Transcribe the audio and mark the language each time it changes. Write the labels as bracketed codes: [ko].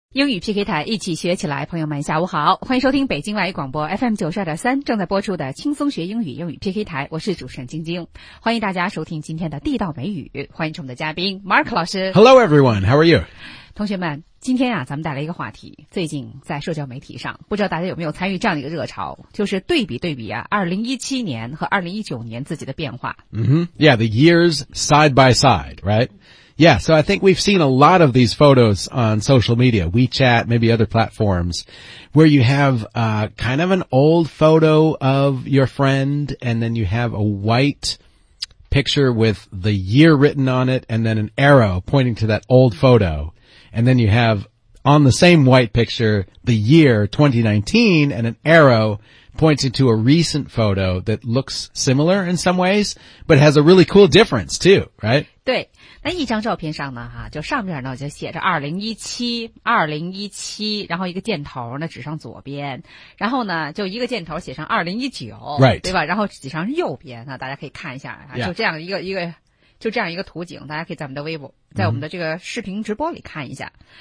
[zh] 英语 PK 台，一起学起来。朋友们下午好，欢迎收听北京外语广播 FM92.3 正在播出的轻松学英语英语 PK 台，我是主持人晶晶，欢迎大家收听今天的地道美语，欢迎我们的嘉宾 Mark 老师。 [en] Hello everyone, how are you? [zh] 同学们，今天啊，咱们带来一个话题，最近在社交媒体上，不知道大家有没有参与这样的一个热潮，就是对比对比啊，2017年和2019年自己的变化。 [en] Mm-hmm. Yeah, the years side by side, right? Yeah, so I think we've seen a lot of these photos on social media, WeChat, maybe other platforms, where you have, kind of an old photo of your friend, and then you have a white picture with the year written on it, and then an arrow pointing to that old photo. And then you have, on the same white picture, the year 2019, and an arrow pointing to a recent photo that looks similar in some ways, but has a really cool difference too, right? [zh] 对。那一张照片上呢哈、啊、就上面呢就写着 2017, 然后一个箭头呢指上左边，然后呢就一个箭头写上 2019,、 [en] right. [zh] 对吧，然后指上右边，那大家可以看一下、啊 [en] yeah. [zh] 就这样一个图景，大家可以在我们的微博，在我们的这个视频直播里看一下、mm-hmm.